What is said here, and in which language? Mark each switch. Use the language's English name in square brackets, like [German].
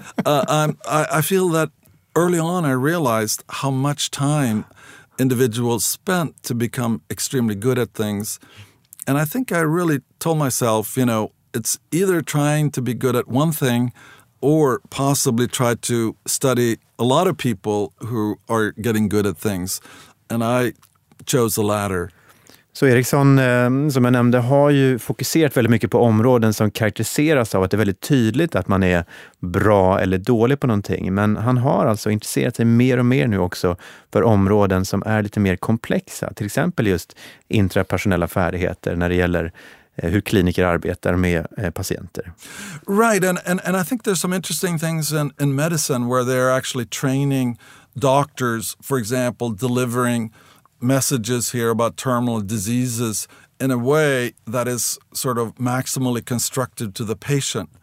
[English] I feel that early on I realized how much time individuals spent to become extremely good at things. And I think I really told myself, you know, it's either trying to be good at one thing or possibly try to study a lot of people who are getting good at things. And I chose the latter. [Swedish] Så Eriksson, som jag nämnde, har ju fokuserat väldigt mycket på områden som karaktäriseras av att det är väldigt tydligt att man är bra eller dålig på någonting. Men han har alltså intresserat sig mer och mer nu också för områden som är lite mer komplexa. Till exempel just intrapersonella färdigheter när det gäller hur kliniker arbetar med patienter. [English] Right, and I think there's some interesting things in medicine where they're actually training doctors, for example, delivering messages here about terminal diseases in a way that is sort of maximally constructive to the patient.